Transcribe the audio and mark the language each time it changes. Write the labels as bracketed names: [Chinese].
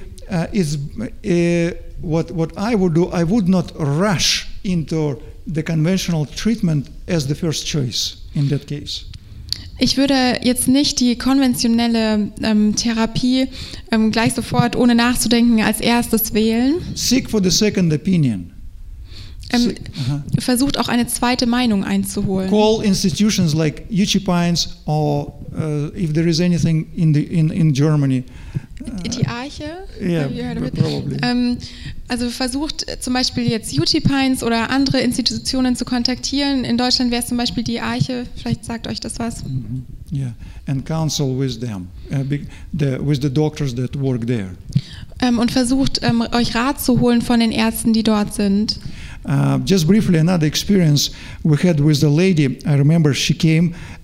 [English] So basically, what I would do, I would not rush into the conventional treatment as the first choice in that case. [German] Ich würde jetzt nicht die konventionelle Therapie gleich sofort, ohne nachzudenken, als erstes wählen. [English] Seek for the second opinion. [German] Versucht auch eine zweite Meinung einzuholen. [English] Call institutions like UT Pines or if there is anything in Germany. [German] Die Arche? [English] Yeah, probably. [German] Also versucht zum Beispiel jetzt UT Pines oder andere Institutionen zu kontaktieren. In Deutschland wäre es zum Beispiel die Arche. Vielleicht sagt euch das was. Mm-hmm. [English] Yeah, and counsel with them, with the doctors that work there. [German] Und versucht euch Rat zu holen von den Ärzten, die dort sind. [English] Just briefly, another experience we had with the lady. I remember she came.